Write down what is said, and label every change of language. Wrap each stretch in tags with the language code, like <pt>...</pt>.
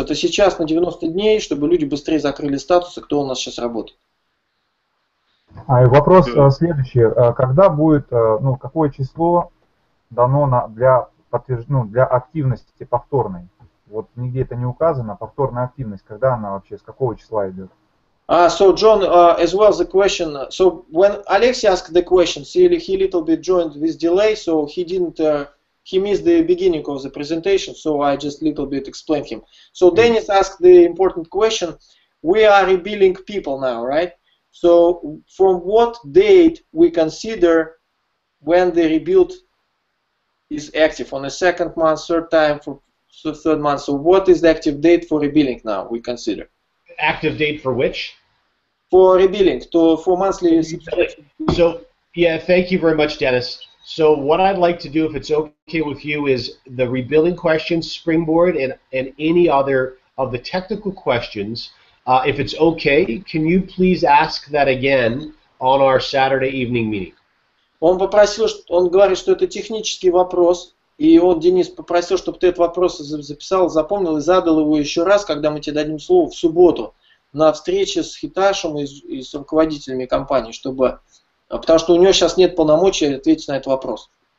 <ru>Это сейчас на 90 дней, чтобы люди быстрее закрыли статусы, кто у нас сейчас работает. А, и вопрос следующий. Когда будет, ну, какое число дано на, для, ну, для активности повторной? Вот нигде это не указано. Повторная активность, когда она вообще, с какого числа идет?</ru> <en>So, John, as well the question. So, when Alexey asked the question, see, he a little bit joined with delay, so he didn't... He missed the beginning of the presentation, so I just little bit explained him. So Dennis asked the important question. We are rebilling people now, right? So from what date we consider when the rebuild is active? On the second month, third time, for third month. So what is the active date for rebilling now we consider? Active date for which? For rebilling, to, for monthly subscription. So, yeah, thank you very much, Dennis. So what I'd like to do, if it's okay with you, is the rebilling questions, Springboard, and any other of the technical questions, if it's okay, can you please ask that again on our Saturday evening meeting?</en> <ru>Он попросил, он говорит, что это технический вопрос, и он, Денис, попросил, чтобы ты этот вопрос записал, запомнил и задал его еще раз, когда мы тебе дадим слово в субботу на встрече с Хиташем и с руководителями компании, чтобы... Потому что у него сейчас нет полномочий ответить на этот вопрос.</ru>